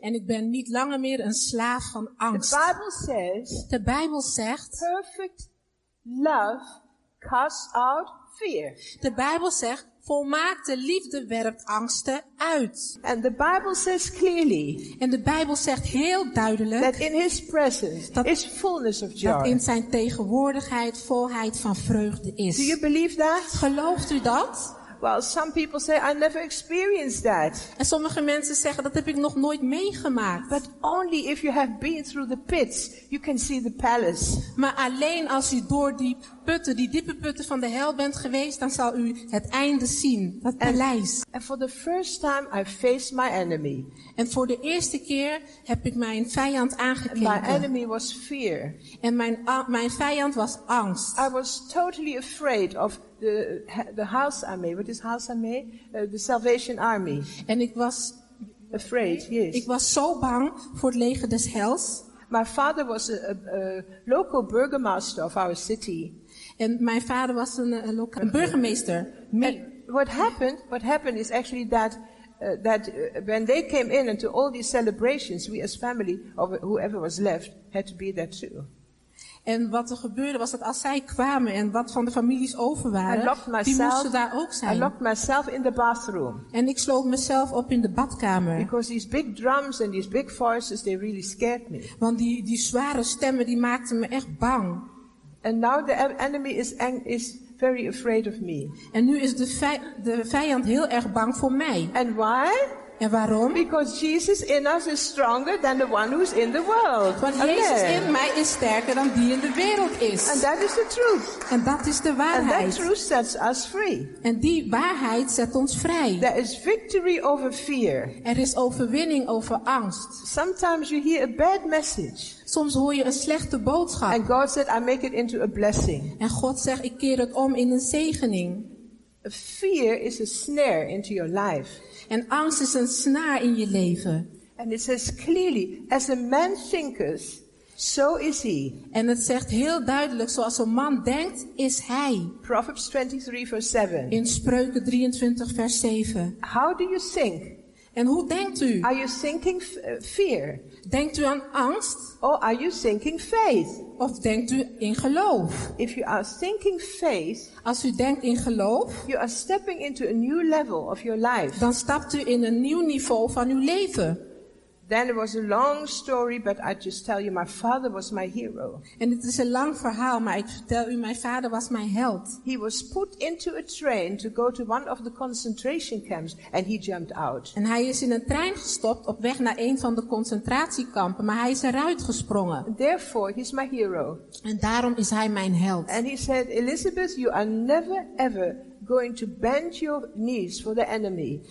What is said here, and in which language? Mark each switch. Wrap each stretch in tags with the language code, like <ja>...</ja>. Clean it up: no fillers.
<nl>En ik ben niet langer meer een slaaf van angst.</nl> <en>The Bible says,</en> <nl>de Bijbel zegt,</nl> <en>perfect love casts out fear.</en> <nl>De Bijbel zegt, volmaakte liefde werpt angsten uit.</nl> <en>And the Bible says clearly,</en> <nl>en de Bijbel zegt heel duidelijk</nl> <en>that in his presence dat, is fullness of joy.</en> <nl>Dat in zijn tegenwoordigheid volheid van vreugde is.</nl> <en>Do you believe that?</en> <nl>Gelooft u dat?</nl> <en>Well, some people say I never experienced that.</en> <nl>En sommige mensen zeggen dat heb ik nog nooit meegemaakt.</nl> <en>But only if you have been through the pits, you can see the palace.</en> <nl>Maar alleen als u door die putten, die diepe putten van de hel bent geweest, dan zal u het einde zien, dat paleis.</nl> <en>And for the first time I faced my enemy.</en> <nl>En voor de eerste keer heb ik mijn vijand aangekeken.</nl> <en>And my enemy was fear.</en> <nl>En mijn vijand was angst.</nl> <en>I was totally afraid of the house army. What is house army? The Salvation Army.</en> <nl>En ik was</nl> <en>afraid. Yes.</en> <nl>Ik was zo bang voor het leger des hels.</nl> <en>My father was a local burgomaster of our city.</en> <nl>En mijn vader was een burgemeester.</nl> <en>What happened is actually that when they came in and to all these celebrations, we as family or whoever was left had to be there too.</en> <nl>En wat er gebeurde was dat als zij kwamen en wat van de families over waren, die moesten daar ook zijn.</nl> <en>I locked myself in the bathroom.</en> <nl>En ik sloot mezelf op in de badkamer.</nl> <en>Because these big drums and these big voices, they really scared me.</en> <nl>Want die zware stemmen die maakten me echt bang.</nl> <en>And now the enemy is very afraid of me.</en> <nl>En nu is de vijand heel erg bang voor mij.</nl> <en>And why?</en> <nl>En waarom?</nl> <en>Because Jesus in us is stronger than the one who's in the world.</en> <nl>Want Jezus in mij is sterker dan die in de wereld is.</nl> <en>And that is the truth.</en> <nl>En dat is de waarheid.</nl> <en>And that truth sets us free.</en> <nl>En die waarheid zet ons vrij.</nl> <en>There is victory over fear.</en> <nl>Er is overwinning over angst.</nl> <en>Sometimes you hear a bad message.</en> <nl>Soms hoor je een slechte boodschap.</nl> <en>And God said, I make it into a blessing.</en> <nl>En God zegt, ik keer het om in een zegening.</nl> <en>Fear is a snare into your life.</en> <nl>En angst is een snaar in je leven.</nl> <en>And it says clearly, as a man thinketh, so is he.</en> <nl>En het zegt heel duidelijk, zoals een man denkt, is hij.</nl> <en>Proverbs 23, verse 7.</en> <nl>In Spreuken 23, vers 7.</nl> <en>How do you think?</en> <nl>En hoe denkt u?</nl> <en>Are you thinking fear?</en> <nl>Denkt u aan angst?</nl> <en>Or are you thinking faith?</en> <nl>Of denkt u in geloof?</nl> <en>If you are thinking faith,</en> <nl>als u denkt in geloof,</nl> <en>you are stepping into a new level of your life.</en> <nl>Dan stapt u in een nieuw niveau van uw leven.</nl> <en>Then it was a long story, but I just tell you, my father was my hero.</en> <nl>En het is een lang verhaal, maar ik vertel u, mijn vader was mijn held.</nl> <en>He was put into a train to go to one of the concentration camps, and he jumped out.</en> <nl>En hij is in een trein gestopt op weg naar een van de concentratiekampen, maar hij is eruit gesprongen.</nl> <en>Therefore, he's my hero.</en> <nl>En daarom is hij mijn held.</nl> <en>And he said, Elizabeth, you are never ever going to bend your knees for the enemy.</en>